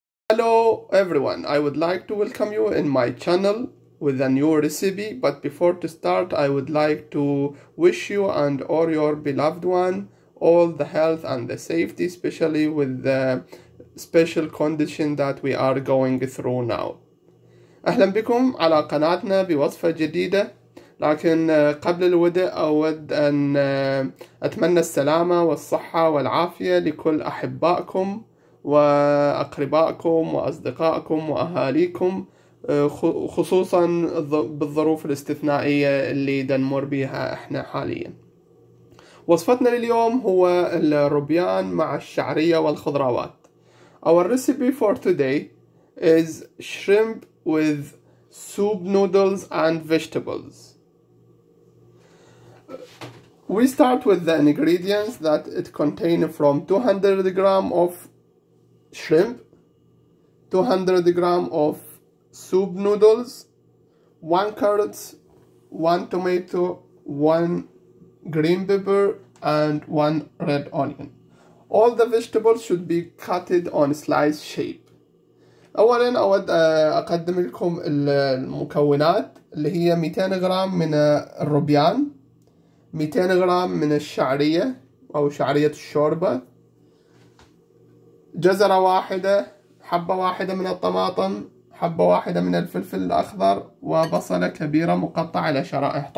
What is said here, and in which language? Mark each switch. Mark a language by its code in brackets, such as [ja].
[en] Hello everyone, I would like to welcome you in my channel with a new recipe. But before to start, I would like to wish you and all your beloved one all the health and the safety, especially with the special condition that we are going through now. [ar] أهلا بكم على قناتنا بوصفة جديدة. لكن قبل الوداع أود أن أتمنى السلامة والصحة والعافية لكل أحبائكم وأقربائكم وأصدقائكم وأهاليكم، خصوصا بالظروف الاستثنائية اللي نمر بها إحنا حاليا. وصفتنا لليوم هو الروبيان مع الشعرية والخضروات. [en] Our recipe for today is shrimp with soup noodles and vegetables. We start with the ingredients that it contain from 200 gram of shrimp, 200 gram of soup noodles, 1 carrot, 1 tomato, 1 green pepper and 1 red onion. All the vegetables should be cut on slice shape. [ar] اولا اود اقدم لكم المكونات اللي هي 200 غرام من الروبيان، 200 غرام من الشعرية أو شعرية الشوربة، جزرة واحدة، حبة واحدة من الطماطم، حبة واحدة من الفلفل الأخضر، وبصلة كبيرة مقطعة إلى شرائح.